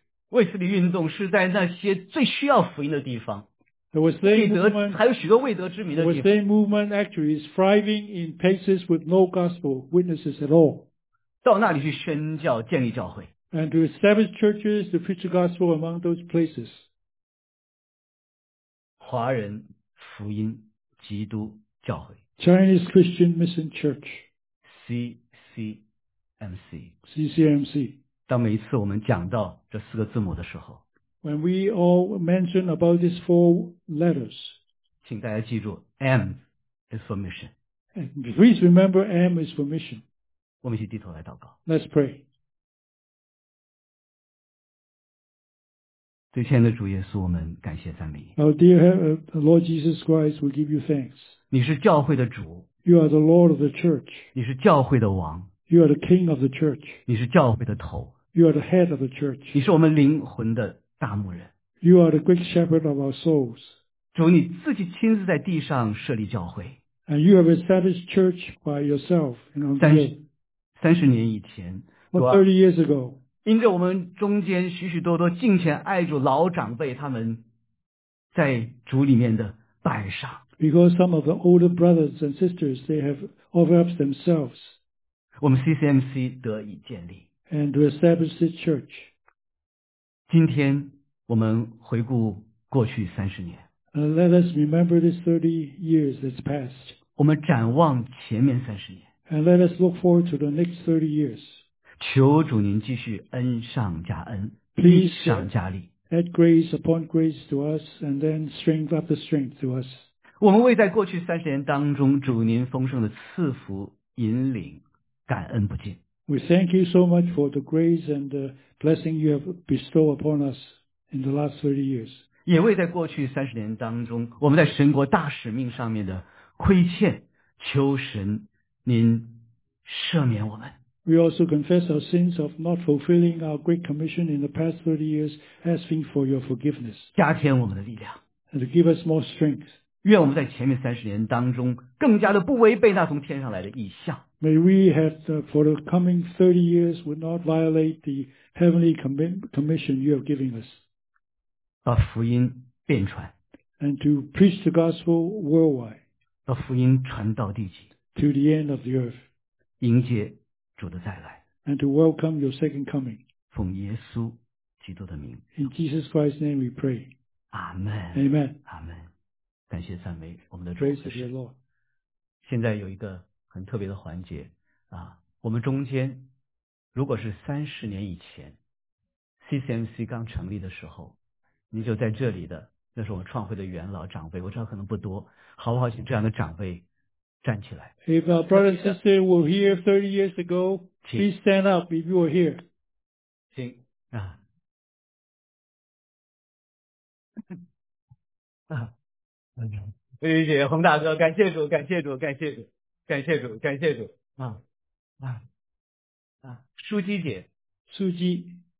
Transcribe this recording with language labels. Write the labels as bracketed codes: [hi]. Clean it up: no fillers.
[zh] 卫斯理运动是在那些最需要福音的地方。 [en] There was the same movement, [zh] 还有许多未得之名的地方。 [en] The same movement actually is thriving in places with no gospel witnesses at all. [zh] 到那里去宣教，建立教会。 [en] And to establish churches to preach the gospel among those places. [zh] 华人福音基督教会。 [en] Chinese Christian Mission Church. CCMC. CCMC. [zh] 当每一次我们讲到这四个字母的时候。 [en] When we all mention about these four letters. [zh] 请大家记住 , [en] M is for mission. And please remember M is for mission. [zh] 我们一起低头来祷告。 [en] Let's pray. [zh] 最亲爱的主耶稣我们感谢赞美。 [en] Our dear Lord Jesus Christ, we give you thanks. [zh] 你是教会的主。 [en] You are the Lord of the church. [zh] 你是教会的王。 [en] You are the King of the church. [zh] 你是教会的头。 [en] You are the head of the church. [zh] 你是我们灵魂的大牧人。 [en] You are the great shepherd of our souls. [zh] 主你自己亲自在地上设立教会。 [en] And you have established church by yourself. [zh] 30年以前。 [en] Well, 30 years ago. [zh] 因着我们中间许许多多敬虔爱主老长辈他们在主里面的拜上。 [en] Because some of the older brothers and sisters, they have offered up themselves. [zh] 我们 CCMC 得以建立。 [en] And to establish this church. [zh] 今天我们回顾过去30年。 [en] Let us remember these 30 years that's passed. [zh] 我们展望前面30年。 [en] And let us look forward to the next 30 years. [zh] 求主您继续恩上加恩。 [en] Please [zh] 上加力。 [en] Add grace upon grace to us and then strength after strength to us. [zh] 我们为在过去30年当中主您丰盛的赐福引领感恩不尽。 [en] We thank you so much for the grace and the blessing you have bestowed upon us in the last 30 years. [zh] 也为在过去30年当中我们在神国大使命上面的亏欠求神您赦免我们。 [en] We also confess our sins of not fulfilling our great commission in the past 30 years asking for your forgiveness. [zh] 加添我们的力量。 [en] And to give us more strength. [zh] 愿我们在前面30年当中更加的不违背那从天上来的意象。 [en] May we have the, for the coming 30 years would not violate the heavenly commission you have given us. [zh] 把福音遍传。 [en] And to preach the gospel worldwide. [zh] 把福音传到地极。 [en] To the end of the earth. [zh] 迎接主的再来。 [en] And to welcome your second coming. [zh] 奉耶稣基督的名。 [en] In Jesus Christ's name we pray. Amen. Amen. [zh] Amen. 感谢赞美我们的主。 [en] Praise the dear Lord. [zh] 现在有一个很特别的环节啊，我们中间如果是30年以前 CCMC 刚成立的时候你就在这里的那是我们创会的元老长辈我知道可能不多好不好请这样的长辈站起来 [en] If our brother and sister were here 30 years ago please stand up if you were here [zh] 请啊谢谢洪大哥感谢主感谢主感谢主感谢主，感谢主啊啊啊！淑姬姐，淑姬，